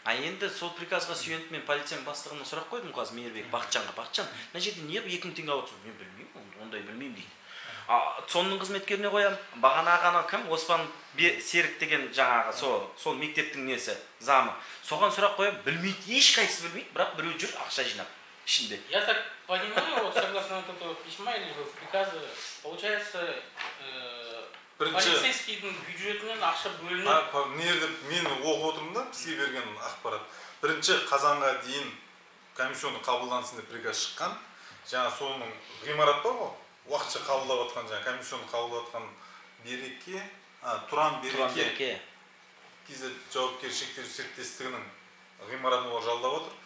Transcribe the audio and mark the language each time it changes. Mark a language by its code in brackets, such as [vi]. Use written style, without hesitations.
[kk] А енді сол приказға сүйеніп мен полицияның бастығына сұрақ қойдым қазір, Мейірбек Бақытжанға. Бақытжан, мына жерде не 2000 теңге алып отырсың? Мен білмеймін, ондай білмеймін дейді. А соның қызметкеріне қоямын. Бағанағы кім? Оспан Серік деген жаңағы сол мектептің несі, замы. Соған сұрақ қоямын, білмейді, ешқайсысы білмейді, бірақ біреу жүр ақша жинап ішінде. [ru] Я так понимаю, вот согласно вот этого письма или приказа, получается, [kk] полицейскийдің бюджетінен ақша бөлініп. Мен оқып отырмын да, бізге берген ақпарат. Бірінші қазанға дейін комиссионы қабылдансын деп приказ шыққан. Жаңа соның ғимарат бар ғой. Уақытша қабылдап отқан жаңа комиссионы қабылдап отқан береке, Тұран береке. Кезе жауапкершіліктері серіктестігінің ғимаратын олар жалдап отыр.